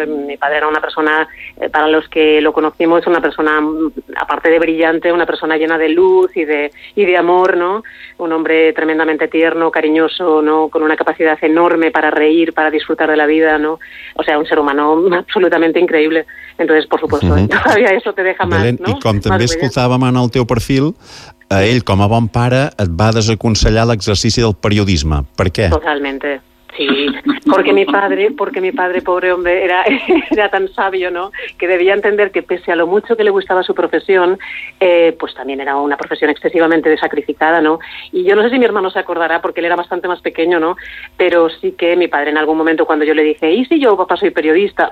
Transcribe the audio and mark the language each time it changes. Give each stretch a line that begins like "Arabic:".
Spanish: Mi padre era una persona, para los que lo conocimos, una persona, aparte de brillante, una persona llena de luz y de amor, ¿no? Un hombre tremendamente tierno, cariñoso, ¿no? Con una capacidad enorme para reír, para disfrutar de la vida, ¿no? O sea, un ser humano absolutamente increíble. Entonces, por supuesto, todavía eso te deja más, ¿no?
Catalan: I com també escoltàvem en el teu perfil, a ell, com a bon pare, et va desaconsellar l'exercici del periodisme. Per què?
Spanish: Totalmente. Sí, porque mi padre, pobre hombre, era tan sabio, ¿no? Que debía entender que pese a lo mucho que le gustaba su profesión, pues también era una profesión excesivamente sacrificada, ¿no? Y yo no sé si mi hermano se acordará, porque él era bastante más pequeño, ¿no? Pero sí que mi padre en algún momento cuando yo le dije, ¿y si yo, papá, soy periodista?